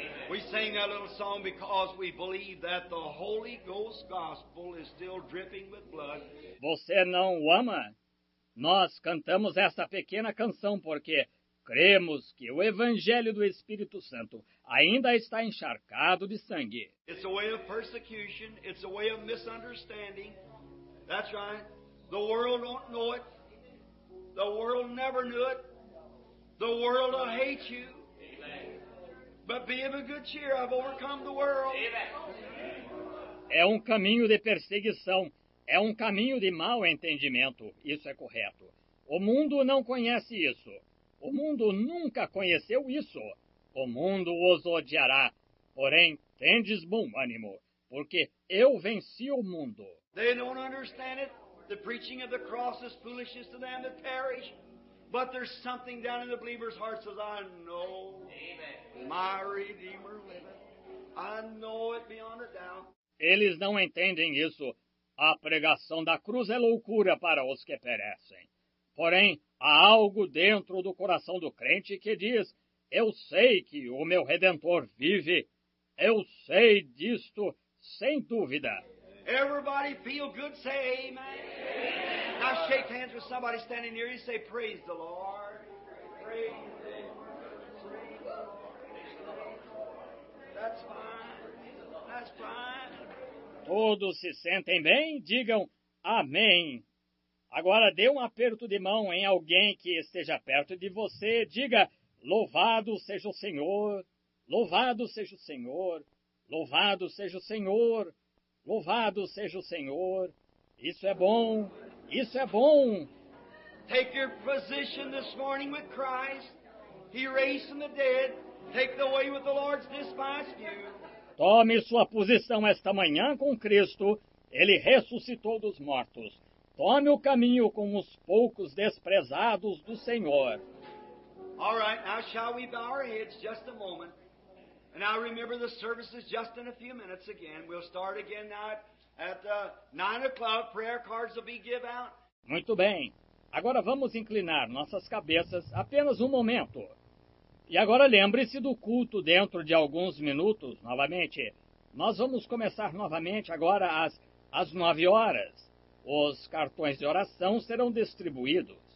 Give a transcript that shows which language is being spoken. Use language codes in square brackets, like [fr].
[en] We sing that little song because we believe that the Holy Ghost gospel is still dripping with blood. [pt] Você não o ama? Nós cantamos esta pequena canção porque cremos que o evangelho do Espírito Santo ainda está encharcado de sangue. [en] It's a way of persecution, it's a way of misunderstanding. That's right. The world don't know it. The world never knew it. The world will hate you. But be of a good cheer, I've overcome the world. [pt] É um caminho de perseguição, é um caminho de mau entendimento. Isso é correto. O mundo não conhece isso. O mundo nunca conheceu isso. O mundo os odiará. Porém, tendes bom ânimo, porque eu venci o mundo. [en] They don't understand it. The preaching of the cross is foolishness to them that perish. But there's something down in the believer's heart says, I know my Redeemer liveth. I know it beyond a doubt. [pt] Eles não entendem isso. A pregação da cruz é loucura para os que perecem. Porém, há algo dentro do coração do crente que diz, eu sei que o meu Redentor vive. Eu sei disto, sem dúvida. [en] Everybody feel good, say amen. Amen. Now shake hands with somebody standing near you and say, praise the Lord. Praise the Lord. That's fine. That's fine. [pt] Todos se sentem bem? Digam, amém. Agora dê um aperto de mão em alguém que esteja perto de você. Diga, louvado seja o Senhor, louvado seja o Senhor, louvado seja o Senhor, louvado seja o Senhor. Isso é bom, isso é bom. [en] Take your position this morning with Christ. He raised from the dead. Take the way with the Lord's despised you. [pt] Tome sua posição esta manhã com Cristo. Ele ressuscitou dos mortos. Tome o caminho com os poucos desprezados do Senhor. [en] All right, now shall we bow our heads just a moment. And now remember the service is just in a few minutes again. We'll start again now at the 9 o'clock. Prayer cards will be given out. [pt] Muito bem. Agora vamos inclinar nossas cabeças apenas um momento. E agora lembre-se do culto dentro de alguns minutos, novamente. Nós vamos começar novamente agora às 9 horas. Os cartões de oração serão distribuídos.